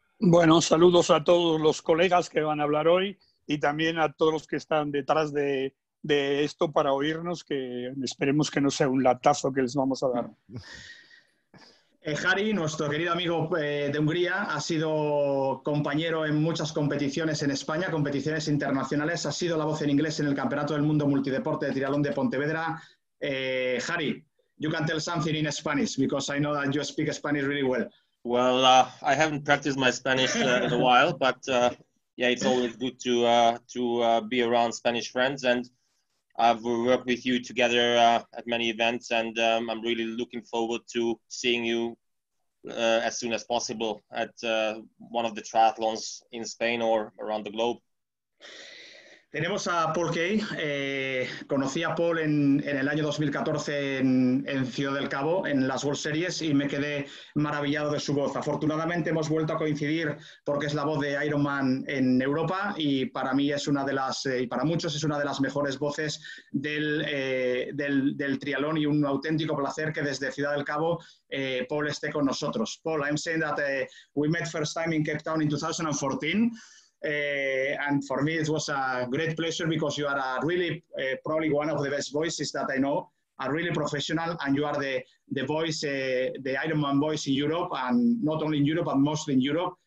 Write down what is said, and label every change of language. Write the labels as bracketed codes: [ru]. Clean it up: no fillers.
[es] Bueno, saludos a todos los colegas que van a hablar hoy y también a todos los que están detrás de esto para oírnos, que esperemos que no sea un latazo que les vamos a dar. Harry, nuestro querido amigo de Hungría, ha sido compañero en muchas competiciones en España, competiciones internacionales, ha sido la voz en inglés en el Campeonato del Mundo Multideporte de Triatlón de Pontevedra. [en] Harry, you can tell something in Spanish, because I know that you speak Spanish really well. Well, I haven't practiced my Spanish in a while, but... Yeah, it's always good to be around Spanish friends, and I've worked with you together at many events, and I'm really looking forward to seeing you as soon as possible at one of the triathlons in Spain or around the globe. [es] Tenemos a Paul Kay. Conocí a Paul en el año 2014 en Ciudad del Cabo, en las World Series, y me quedé maravillado de su voz. Afortunadamente hemos vuelto a coincidir porque es la voz de Ironman en Europa, y para mí es una de las, y para muchos es una de las mejores voces del triatlón, y un auténtico placer que desde Ciudad del Cabo Paul esté con nosotros. [en] Paul, I'm saying that we met first time in Cape Town in 2014. And for me, it was a great pleasure because you are a really, probably one of the best voices that I know, a really professional, and you are the voice, the Ironman voice in Europe, and not only in Europe, but mostly in Europe.